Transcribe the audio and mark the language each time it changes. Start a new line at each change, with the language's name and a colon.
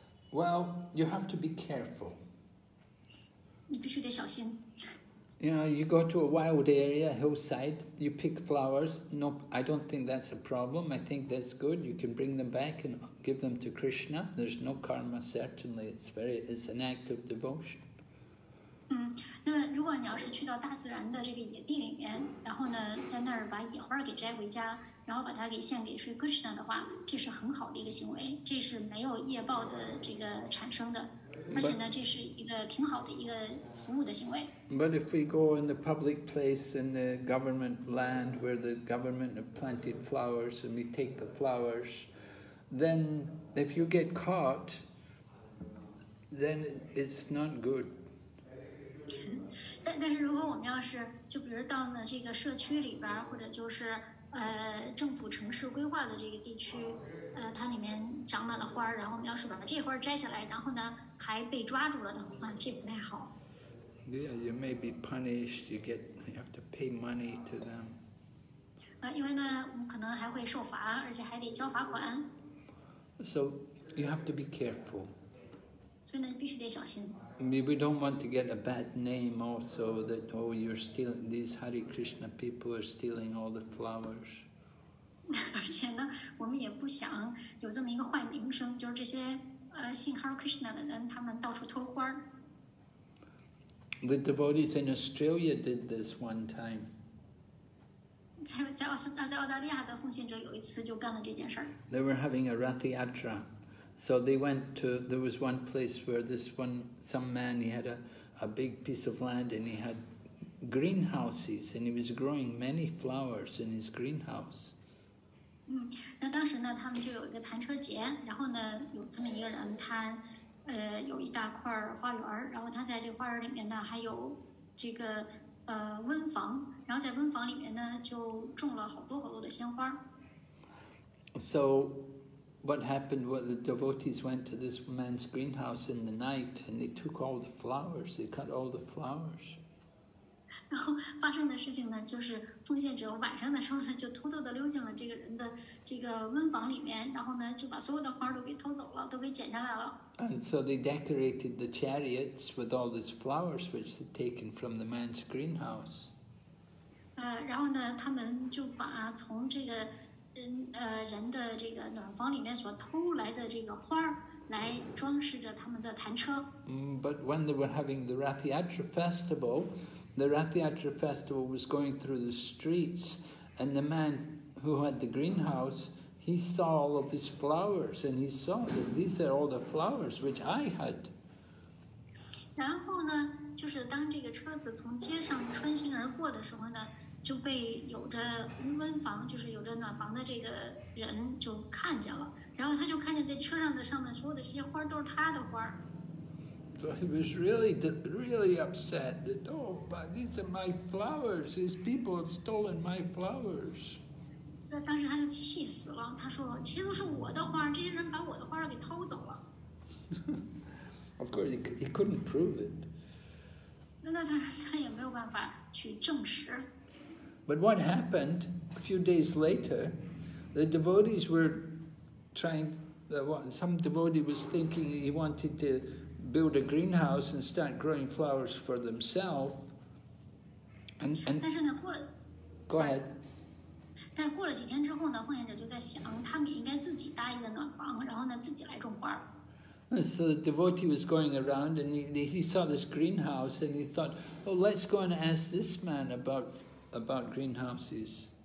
English: Well, you have to be careful.
Chinese: 你必须得小心。
English: You know, you go to a wild area, hillside, you pick flowers. No, I don't think that's a problem. I think that's good. You can bring them back and give them to Krishna. There's no karma, certainly. It's an act of devotion.
Chinese: 那如果你要是去到大自然的这个野地里面，然后呢，在那儿把野花给摘回家，然后把它给献给 Sri Krishna 的话，这是很好的一个行为，这是没有业报的这个产生的，而且呢，这是一个挺好的一个服务的行为。
English: But if we go in the public place in the government land where the government have planted flowers and we take the flowers, then if you get caught, then it's not good.
Chinese: 但是如果我们要是就比如到了这个社区里边或者就是政府城市规划的这个地区它里面长满了花然后我们要是把这花摘下来然后呢还被抓住了的话这不太好
English: Yeah, you may be punished, you have to pay money to them.
Chinese: 因为呢我们可能还会受罚而且还得交罚款。
English: So, you have to be careful.
Chinese: 所以呢必须得小心。
English: We don't want to get a bad name also that, oh, you're stealing, these Hare Krishna people are stealing all the flowers.
Chinese: 而且呢我们也不想有这么一个坏名声就是这些信Hare Krishna的人他们到处偷花。
English: The devotees in Australia did this one time.
Chinese: 在澳大利亚的奉献者有一次就干了这件事。
English: They were having a Rath Yatra. So they went to, there was one place where this one, some man, he had a big piece of land and he had greenhouses and he was growing many flowers in his greenhouse.
Chinese: 那当时呢他们就有一个弹车节然后呢有这么一个人他有一大块花园，然后他在这个花园里面呢还有这个温房，然后在温房里面呢就种了好多好多的鲜花。
English: So what happened was the devotees went to this man's greenhouse in the night and they took all the flowers, they cut all the flowers.
Chinese: 然后发生的事情呢就是奉献者晚上的时候呢就偷偷地溜进了这个人的这个温房里面，然后呢就把所有的花都给偷走了，都给剪下来了。
English: And so they decorated the chariots with all these flowers which they'd taken from the man's greenhouse.
Chinese: 然后呢他们就把从这个人的这个暖房里面所偷来的这个花来装饰着他们的弹车。
English: But when they were having the Rathyatra festival, the Rathyatra festival was going through the streets, and the man who had the greenhouse, he saw all of his flowers, and he saw that these are all the flowers which I had.
Chinese: 然后呢，就是当这个车子从街上穿行而过的时候呢，就被有着温房，就是有着暖房的这个人就看见了，然后他就看见在车上的上面所有的这些花都是他的花。
English: So he was really, really upset that, oh, but these are my flowers. These people have stolen my flowers.
Chinese: 当时他就气死了，他说其实都是我的花，这些人把我的花给偷走了。
English: Of course, he couldn't prove it.
Chinese: 那他也没有办法去证实。
English: But what happened a few days later, the devotees were trying, some devotee was thinking he wanted to build a greenhouse and start growing flowers for themselves. And
Chinese: 但是呢过了
English: go ahead.
Chinese: 但过了几天之后呢，奉献者就在想，他们也应该自己搭一个暖房，然后呢自己来种花。
English: And so the devotee was going around and he saw this greenhouse and he thought, oh, let's go and ask this man about greenhouses.